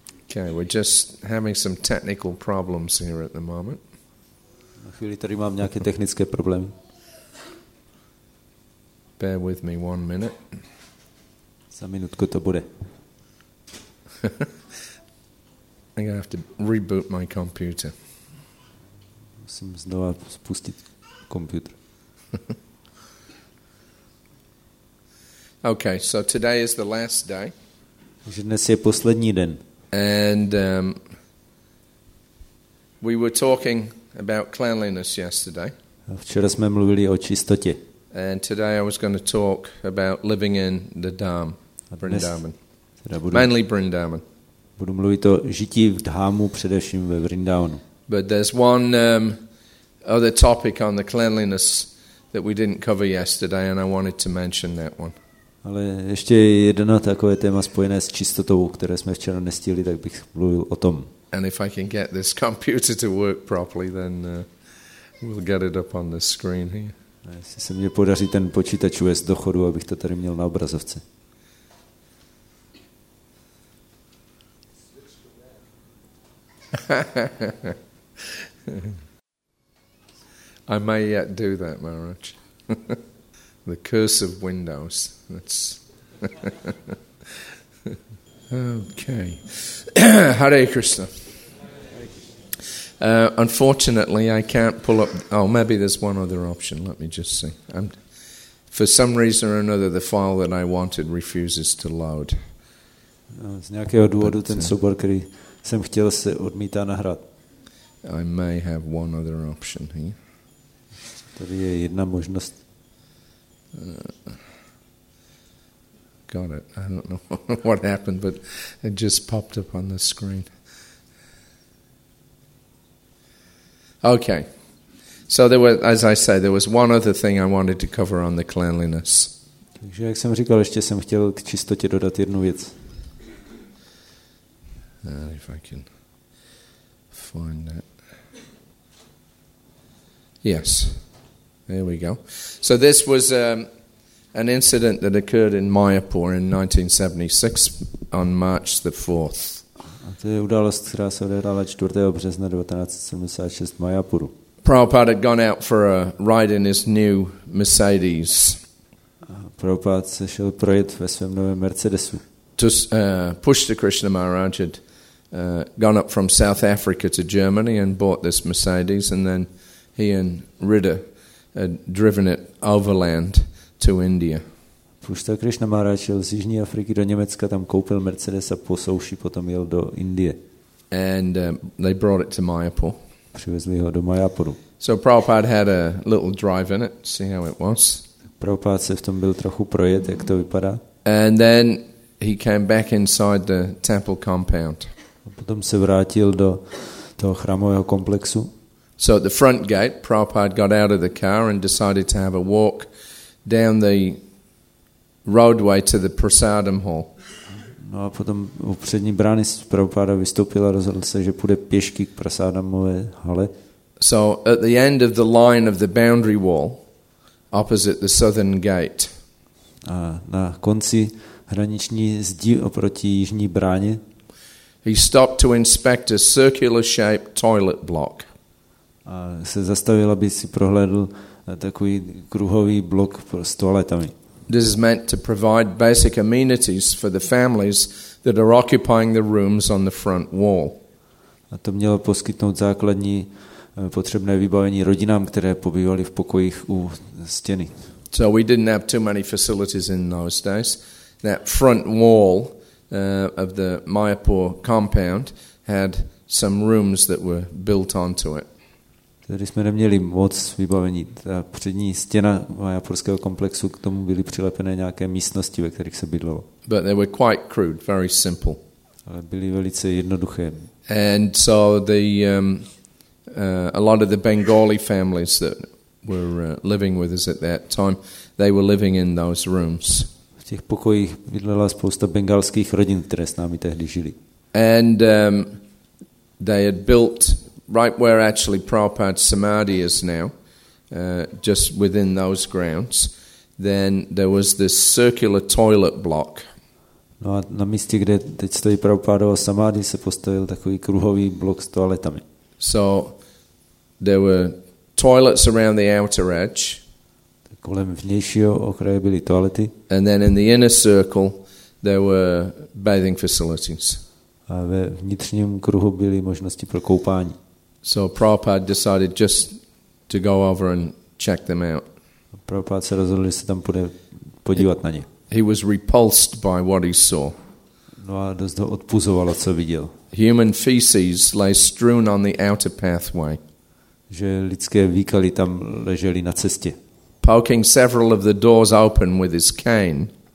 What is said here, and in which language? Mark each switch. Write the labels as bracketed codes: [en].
[en] Okay, we're just having some technical problems here at the moment. [cs] Na chvíli tady mám nějaké technické problémy. [en] Bear with me 1 minute. [cs] Za minutku to bude. [en] I'm gonna have to reboot my computer. [cs] Musím znova spustit komputer. [en] Okay, so today is the last day. [cs] Takže dnes je poslední den. [en] And we were talking about cleanliness yesterday. [cs] Včera jsme mluvili o čistotě. [en] And today I was going to talk about living in the dham, Vrindavan. Mainly Vrindavan. [cs] Budu mluvit o žití v dhámu, především ve Vrindavanu. [en] But there's one other topic on the cleanliness that we didn't cover yesterday, and I wanted to mention that one. [cs] Ale ještě jedno takové téma spojené s čistotou, které jsme včera nestihli, tak bych mluvil o tom. [en] And if I can get this computer to work properly, then we'll get it up on the screen here. [cs] A jestli se mě podaří ten počítač uvést do chodu, abych to tady měl na obrazovce. [en] I may yet do that, Maharaj. The curse of Windows. That's okay. Hare Krishna. Unfortunately, I can't pull up. Oh, maybe there's one other option. Let me just see. For some reason or another, the file that I wanted refuses to load. [cs] Z nějakého důvodu ten soubor, který jsem chtěl, se odmítá nahrát. [en] I may have one other option here. [cs] Tady je jedna možnost. [en] Got it. I don't know what happened, but it just popped up on the screen. Okay. So there was, as I say, there was one other thing I wanted to cover on the cleanliness. [cs] Takže jak jsem říkal, ještě jsem chtěl k čistotě dodat jednu věc. [en] If I can find that. Yes. There we go. So this was an incident that occurred in Mayapur in 1976 on March the 4th. [cs] A to je událost, která se odehrála 4. března 1976 v Mayapuru. [en] Prabhupada had gone out for a ride in his new Mercedes. [cs] Prabhupada se šel projet ve svém novém Mercedesu. [en] Pushta Krishna Maharaj had gone up from South Africa to Germany and bought this Mercedes, and then he and Ritter had driven it overland to India. [cs] Pushta Krishna Maharaj jel z jižní Afriky do Německa, tam koupil Mercedes a po souši potom jel do Indie. [en] And they brought it to Mayapur. [cs] Přivezli ho do Mayapuru. [en] So Prabhupada had a little drive in it, see how it was. [cs] Prabhupada se v tom byl trochu projet, jak to vypadá. [en] And then he came back inside the temple compound. [cs] A potom se vrátil do toho chrámového komplexu. [en] So at the front gate, Prabhupada got out of the car and decided to have a walk down the roadway to the prasadam hall. [cs] No a potom u přední brány Prabhupada vystoupil a rozhodl se, že půjde pěšky k prasadamové hale. [en] So at the end of the line of the boundary wall, opposite the southern gate. [cs] A na konci hraniční zdi oproti jižní bráně. [en] He stopped to inspect a circular-shaped toilet block. [cs] A se zastavil, aby si prohlédl takový kruhový blok s toaletami. [en] This is meant to provide basic amenities for the families that are occupying the rooms on the front wall. [cs] A to mělo poskytnout základní potřebné vybavení rodinám, které pobývaly v pokojích u stěny. [en] So we didn't have too many facilities in those days. That front wall of the Mayapur compound had some rooms that were built onto it. [cs] Tady jsme neměli moc vybavení. Ta přední stěna mayapurského komplexu, k tomu byly přilepené nějaké místnosti, ve kterých se bydlelo. [en] But they were quite crude, very simple. [cs] Ale byly velice jednoduché. [en] And so the a lot of the Bengali families that were living with us at that time, they were living in those rooms. [cs] V těch pokojích bydlela spousta bengalských rodin, které s námi tehdy žili. [en] And they had built right where actually Prabhupada's Samadhi is now, just within those grounds, then there was this circular toilet block. [cs] No a na místě, kde teď stojí Prabhupádovo Samadhi, se postavil takový kruhový blok s toaletami. [en] So there were toilets around the outer edge. [cs] Kolem vnějšího okraje byly toalety. [en] And then in the inner circle there were bathing facilities. [cs] A ve vnitřním kruhu byly možnosti pro koupání. [en] So Prabhupada decided just to go over and check them out. [cs] Prabhupada se rozhodl, že se tam půjde podívat na ně. [en] He was repulsed by what he saw. [cs] No a dost ho odpuzovalo, co viděl. [en] Human feces lay strewn on the outer pathway. [cs] Že lidské výkaly tam leželi na cestě. [en] Poking several of the doors open with his cane.